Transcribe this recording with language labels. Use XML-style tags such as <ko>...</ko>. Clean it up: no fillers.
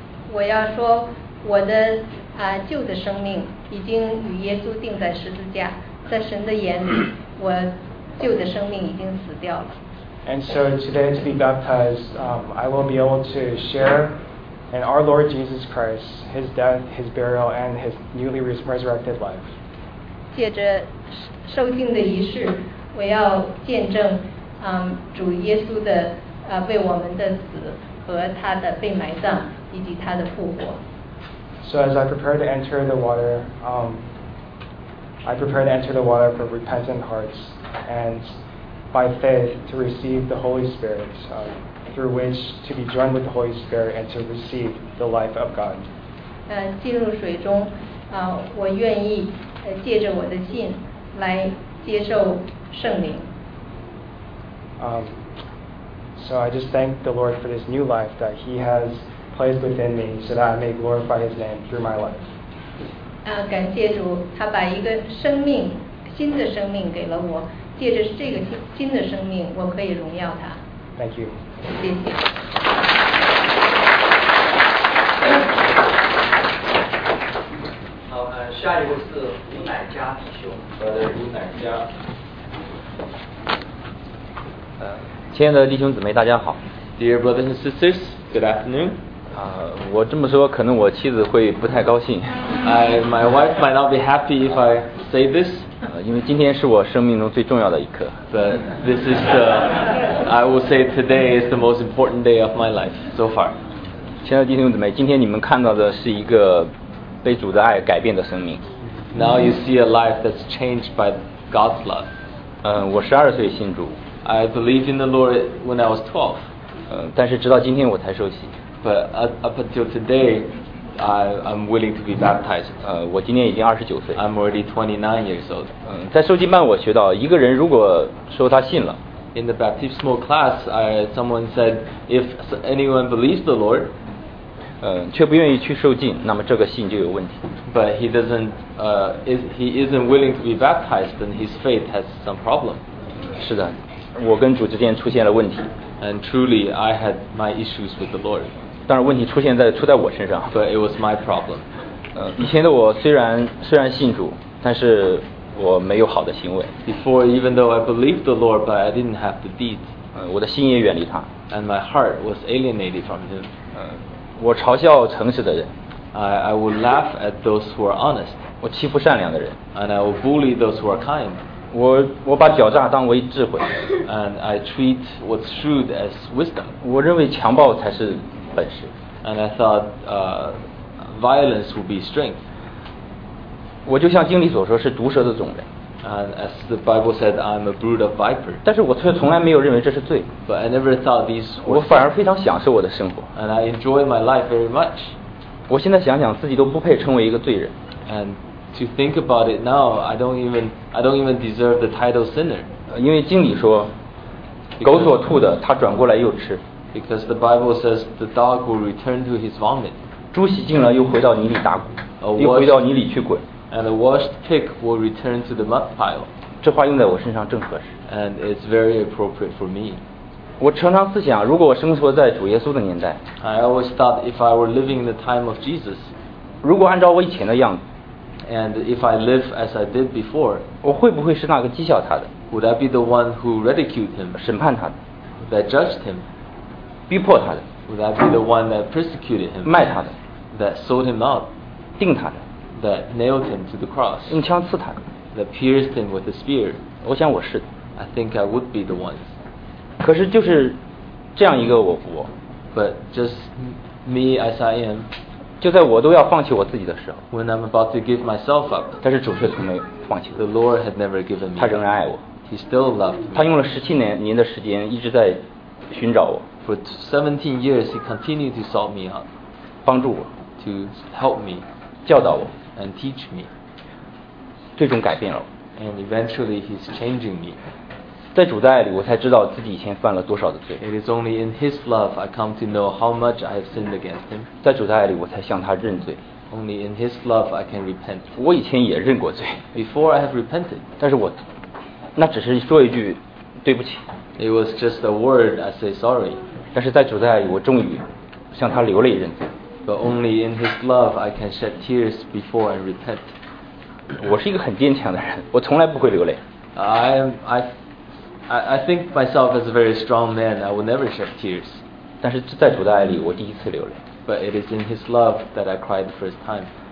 <zh>我要说我的旧的生命已经与耶稣钉在十字架，在神的眼里，我旧的生命已经死掉了。</zh> <en>And so today to be baptized, I will be able to share in our Lord Jesus Christ, His death, His burial, and His newly resurrected life.</en> <zh>借着受浸的仪式，我要见证。主耶稣的为我们的死和他的被埋葬以及他的复活。</zh> <en>So as I prepare to enter the water, I prepare to enter the water for repentant hearts and by faith to receive the Holy Spirit, through which to be joined with the Holy Spirit and to receive the life of God.</en> <zh>进入水中，我愿意借着我的信来接受圣灵。</zh> <en>So I just thank the Lord for this new life that He has placed within me so that I may glorify His name through my life.</en> <zh>感谢主，他把一个生命，新的生命给了我，借着这个新的生命，我可以荣耀他。</zh> <en>Thank you.</en> <zh>谢谢。好，下一位是吴乃佳弟兄。好的，吴乃佳。亲爱的弟兄姊妹，大家好。</zh> <en>Dear brothers and sisters, good afternoon.</en> <zh>我这么说，可能我妻子会不太高兴。</zh> <en>My wife might not be happy if I say this.</en> <zh>因为今天是我生命中最重要的一刻。</zh> <en>But this is the, I will say today is the most important day of my life so far.</en> <zh>亲爱的弟兄姊妹，今天你们看到的是一个被主的爱改变的生命。</zh> <en>Now you see a life that's changed by God's love.</en> <zh>我12岁信主。</zh> <en>I believed in the Lord when I was 12.</en> <zh>但是直到今天我才受洗。</zh> <en>But up until today, I'm willing to be baptized.</en> <zh>我今年已经29岁。</zh> <en>I'm already 29 years old.</en> <zh>在受浸班我学到，一个人如果说他信了。</zh> <en>In the baptismal class, someone said, if anyone believes the Lord,</en> <zh>却不愿意去受浸，那么这个信就有问题。</zh> <en>But he isn't willing to be baptized, then his faith has some problem.</en> <zh>是的。我跟主之间出现了问题。</zh> <en>And truly, I had my issues with the Lord.</en> <zh>当然问题出在我身上。</zh> <en>But it was my problem.</en> <zh>以前的我虽然信主，但是我没有好的行为。</zh> <en>Before, even though I believed the Lord, but I didn't have the deeds.</en> <zh>我的心也远离他。</zh> <en>And my heart was alienated from him.</en> <zh>我嘲笑诚实的人。</zh> <en>I would laugh at those who are honest.</en> <zh>我欺负善良的人。</zh> <en>And I would bully those who are kind.</en> <zh>我把狡诈当为智慧。</zh> <en>And I treat what's shrewd as wisdom.</en> <zh>我认为强暴才是本事。</zh> <en>And I thought, violence would be strength.</en> <zh>我就像经理所说是毒蛇的种人。</zh> <en>And as the Bible said, I'm a brood of viper.</en> <zh>但是我却从来没有认为这是罪。</zh> <en>But I never thought these were.</en> <zh>我反而非常享受我的生活。</zh> <en>And I enjoy my life very much.</en> <zh>我现在想想自己都不配称为一个罪人。</zh> <en>And. To think about it now, I don't even deserve the title sinner.</en> <zh>因为经理说，狗所吐的，他转过来又吃。</zh> <en>Because the Bible says the dog will return to his vomit.</en> <zh>猪洗净了又回到泥里打滚，又回到泥里去滚。</zh> <en>And a washed pig will return to the mud pile.</en> <zh>这话用在我身上正合适。</zh> <en>And it's very appropriate for me.</en> <zh>我常常思想，如果我生活在主耶稣的年代。</zh> <en>I always thought if I were living in the time of Jesus.</en> <zh>如果按照我以前的样子。</zh> <en>And if I live as I did before,</en> <zh>我会不会是那个讥笑他的？</zh> <en>Would I be the one who ridiculed him?</en> <zh>审判他的？</zh> <en>That judged him?</en> <zh>逼迫他的？</zh> <en>Would I be the one that persecuted him?</en> <zh>卖他的？</zh> <en>That sold him out?</en> <zh>钉他的？</zh> <en>That nailed him to the cross?</en> <zh>用枪刺他的？</zh> <en>That pierced him with a spear?</en> <zh>我想我是的。</zh> <en>I think I would be the one.</en> <zh>可是就是这样一个我。</zh> <en>But just me as I am.</en> <zh>就在我都要放弃我自己的时候</zh> <en>，When I'm about to give myself up，</en> <zh>但是主却从没放弃。</zh> <en>The Lord had never given me。</en> <zh>他仍然爱我。</zh> <en>He still loved me。</en> <zh>他用了17年的时间一直在寻找我。</zh> <en>For 17 years, he continued to sought me out。</en> <zh>帮助我。</zh> <en>To help me。</en> <zh>教导我。</zh> <en>And teach me。</en> <zh>最终改变了我。</zh> <en>And eventually, he's changing me。</en> <zh>在主的爱里，我才知道自己以前犯了多少的罪。</zh> <en>It is only in His love I come to know how much I have sinned against Him.</en> <zh>在主的爱里，我才向他认罪。</zh> <en>Only in His love I can repent.</en> <zh>我以前也认过罪。</zh> <en>Before I have repented.</en> <zh>但是我，那只是说一句对不起。</zh> <en>It was just a word I say sorry.</en> <zh>但是在主的爱里，我终于向他流泪认罪。</zh> <en>But only in His love I can shed tears before I repent.</en> <zh>我是一个很坚强的人，我从来不会流泪。</zh> <en>I think myself as a very strong man. I will never shed tears.</en> <zh>但是在主的爱里，我第一次流泪。</zh> <en>But it is in His love that I cried the first time.</en>